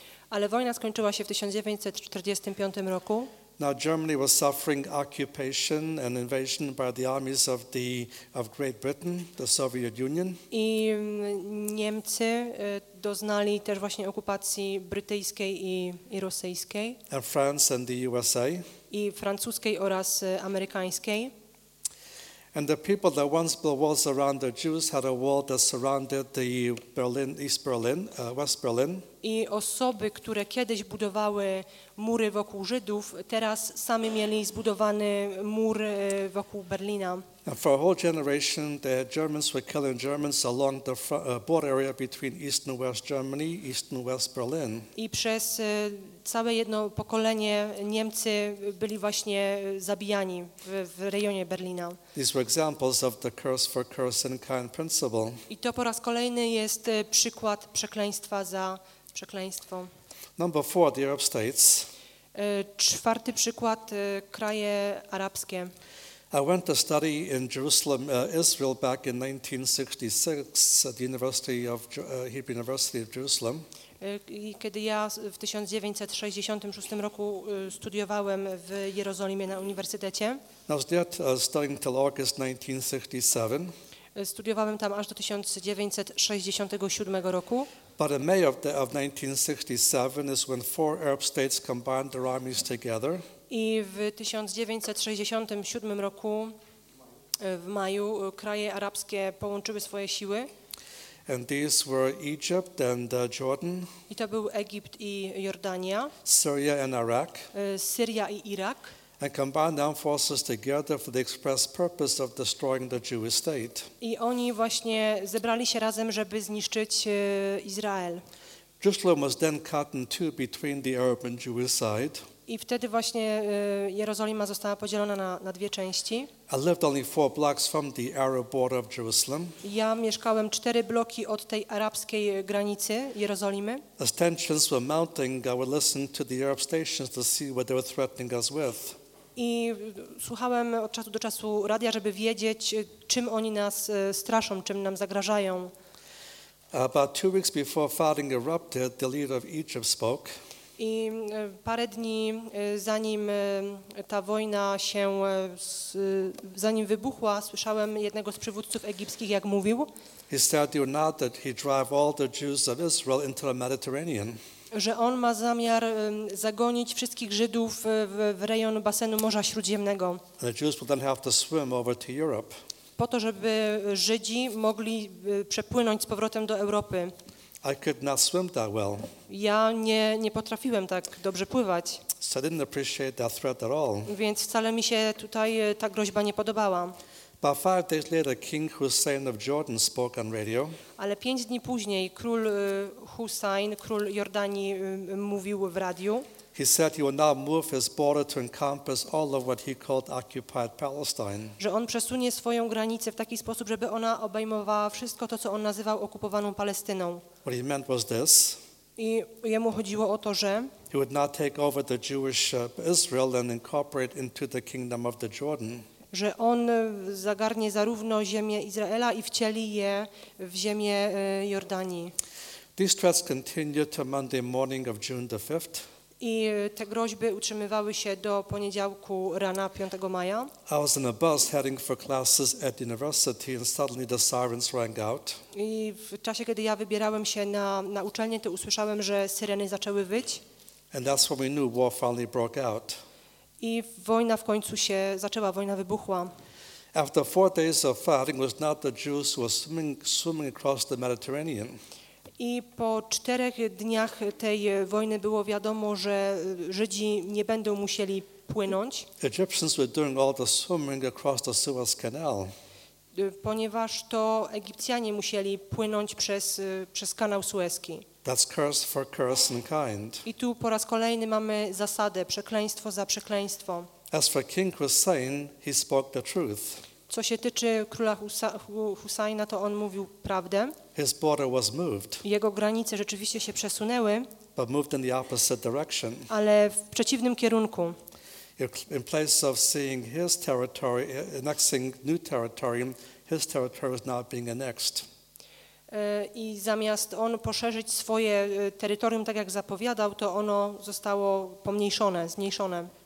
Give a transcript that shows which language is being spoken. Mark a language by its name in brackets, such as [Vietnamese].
[Polish] Ale wojna skończyła się w 1945 roku. [English] Now Germany was suffering occupation and invasion by the armies of Great Britain, the Soviet Union. [Polish] I Niemcy doznali też właśnie okupacji brytyjskiej i rosyjskiej. [English] And France and the USA. [Polish] I francuskiej oraz amerykańskiej. [English] And the people that once built walls around the Jews had a wall that surrounded the Berlin, East Berlin, West Berlin. [Polish] I osoby, które kiedyś budowały mury wokół Żydów, teraz sami mieli zbudowany mur wokół Berlina. [English] And for a whole generation, the Germans were killing Germans along the border area between East and West Germany, East and West Berlin. [Polish] I przez całe jedno pokolenie Niemcy byli właśnie zabijani w rejonie Berlina. [English] These were examples of the curse for curse and kind principle. [Polish] I to po raz kolejny jest przykład przekleństwa za przekleństwo. [English] Number four, the Arab states. [Polish] Czwarty przykład, kraje arabskie. [English] I went to study in Jerusalem, Israel back in 1966 at the University of Hebrew University of Jerusalem. [Polish] Kiedy ja w 1966 roku studiowałem w Jerozolimie na uniwersytecie. [English] I was there studying till August 1967. [Polish] Studiowałem tam aż do 1967 roku. [English] But in May of 1967 is when four Arab states combined their armies together. [Polish] I w 1967 roku, w maju, kraje arabskie połączyły swoje siły. [English] And these were Egypt and Jordan. [Polish] I to był Egipt i Jordania. [English] Syria and Iraq. [Polish] Syria i Irak. [English] And combined their forces together for the express purpose of destroying the Jewish state. [Polish] I oni właśnie zebrali się razem, żeby zniszczyć Izrael. [English] Jerusalem was then cut in two between the Arab and Jewish side. [Polish] I wtedy właśnie Jerozolima została podzielona na dwie części. [English] I lived only four blocks from the Arab border of Jerusalem. [Polish] Ja mieszkałem cztery bloki od tej arabskiej granicy Jerozolimy. [English] As tensions were mounting, I would listen to the Arab stations to see what they were threatening us with. [Polish] I słuchałem od czasu do czasu radia, żeby wiedzieć, czym oni nas straszą, czym nam zagrażają. [English] About 2 weeks before fighting erupted, the leader of Egypt spoke. [Polish] I parę dni zanim ta wojna się, zanim wybuchła, słyszałem jednego z przywódców egipskich, jak mówił. [English] He said you know that he drive all the Jews of Israel into the Mediterranean. [Polish] Że on ma zamiar zagonić wszystkich Żydów w rejon basenu Morza Śródziemnego. [English] The Jews will then have to swim over to Europe. [Polish] Po to, żeby Żydzi mogli przepłynąć z powrotem do Europy. [English] I could not swim that well. [Polish] Ja nie potrafiłem tak dobrze pływać. [English] So I didn't appreciate that threat at all. [Polish] Więc wcale mi się tutaj ta groźba nie podobała. [English] But 5 days later, King Hussein of Jordan spoke on radio. [Polish] Ale 5 dni później król Hussein, król Jordanii, mówił w radiu. [English] He said he would now move his border to encompass all of what he called occupied Palestine. [Polish] Że on przesunie swoją granicę w taki sposób, żeby ona obejmowała wszystko to, co on nazywał okupowaną Palestyną. [English] What he meant was this. [Polish] I jemu chodziło o to, że [English] he would not take over the Jewish Israel and incorporate into the kingdom of the Jordan. [Polish] Że on zagarnie zarówno ziemię Izraela i wcieli je w ziemię Jordanii. [English] These threats continued to Monday morning of June the 5th. [Polish] I te groźby utrzymywały się do poniedziałku rana 5 maja. [English] I was in a bus heading for classes at the university and suddenly the sirens rang out. [Polish] I w czasie, kiedy ja wybierałem się na uczelnię, to usłyszałem, że syreny zaczęły wyć. [English] And that's when we knew war finally broke out. [Polish] I wojna w końcu się zaczęła, wojna wybuchła. [English] After 4 days of fighting, it was not the Jews who were swimming across the Mediterranean. [Polish] I po 4 dniach tej wojny było wiadomo, że Żydzi nie będą musieli płynąć. [English] Egyptians were doing all the swimming across the Suez Canal. [Polish] Ponieważ to Egipcjanie musieli płynąć przez kanał Suezki. [English] That's curse for curse and kind. [Polish] I tu po raz kolejny mamy zasadę, przekleństwo za przekleństwo. [English] As for King Hussein, he spoke the truth. [Polish] Co się tyczy króla Husajna, to on mówił prawdę. [English] His border was moved. [Polish] Jego granice rzeczywiście się przesunęły, [English] but moved in the opposite direction. [Polish] Ale w przeciwnym kierunku. [English] In place of seeing his territory annexing new territory, his territory was not being annexed. [Polish] I zamiast on poszerzyć swoje terytorium tak jak zapowiadał, to ono zostało pomniejszone, zmniejszone.